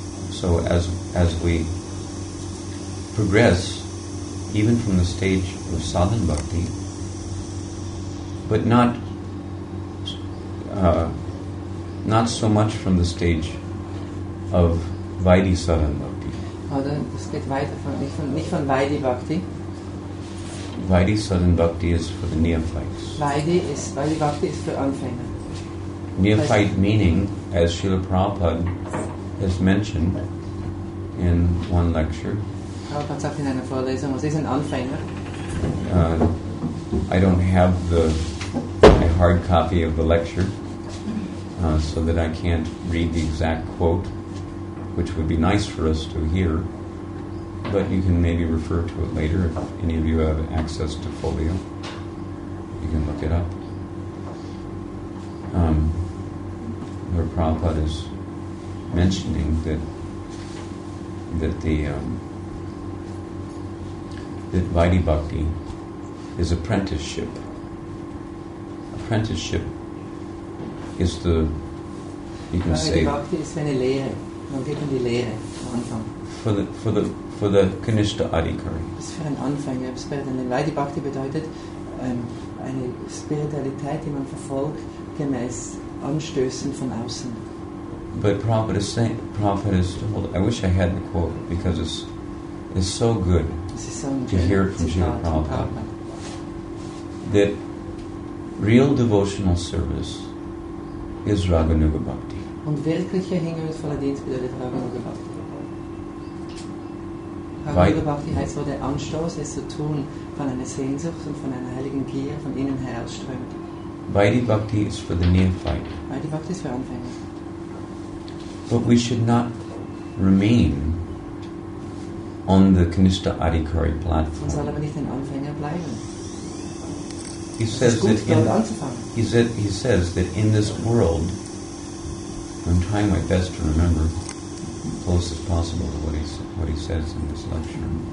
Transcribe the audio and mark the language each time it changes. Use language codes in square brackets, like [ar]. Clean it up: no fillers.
[en] So as we progress, even from the stage of sadhana bhakti, but not so much from the stage of vaidhi sadhana bhakti. [de] Oder es geht weiter von nicht von vaidhi bhakti. [en] Vaidhi sadhana bhakti is for the neophytes. Vaidhi bhakti is for Anfänger. Neophyte meaning, as Srila Prabhupada has mentioned in one lecture. [de] Prabhupada sagt in einer Vorlesung, was ist ein Anfänger? [en] I don't have a hard copy of the lecture, so that I can't read the exact quote, which would be nice for us to hear. But you can maybe refer to it later if any of you have access to folio. You can look it up. Where Prabhupada is mentioning that Vaidhi Bhakti is apprenticeship. Apprenticeship is the, you can say, [de] Vaidhi Bhakti ist eine Lehre. Man geht in die Lehre am Anfang. [en] For the Kanishta Adhikari. [de] Das ist für einen Anfänger. Vaidhi Bhakti bedeutet eine Spiritualität, die man verfolgt, gemäß Anstößen von außen. [en] But Prabhupada is told, I wish I had the quote because it's so good to hear it from Srila Prabhupada. That real devotional service is Raghunuga Bhakti. [de] Und wirkliche hingebungsvolle Dienst bedeutet Raghunuga Bhakti. Raghunuga Bhakti heißt, wo der Anstoß ist zu tun von einer Sehnsucht und von einer heiligen Gier von innen herausströmt. [en] Vaidhi Bhakti is for the neophyte. Vaidhi Bhakti is for Anfänger. But we should not remain on the Kanishta Adhikari platform. [de] Man soll aber nicht ein Anfänger bleiben. [en] He says [de] gut, [en] he says that in this world, I'm trying my best to remember close as possible to what he says in this lecture.